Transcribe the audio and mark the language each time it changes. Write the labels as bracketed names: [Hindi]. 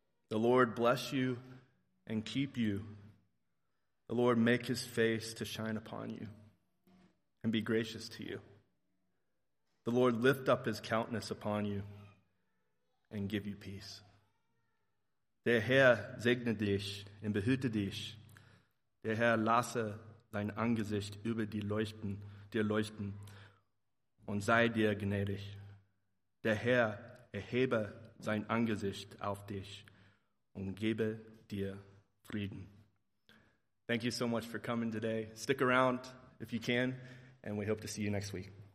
[English] The Lord bless you and keep you. The Lord make his face to shine upon you and be gracious to you. The Lord lift up his countenance upon you and give you peace. [German] Der Herr segne dich und behüte dich. Der Herr lasse dein Angesicht über dir leuchten und sei dir gnädig. Der Herr erhebe sein Angesicht auf dich und gebe dir Frieden. [English] Thank you so much for coming today. Stick around if you can, and we hope to see you next week.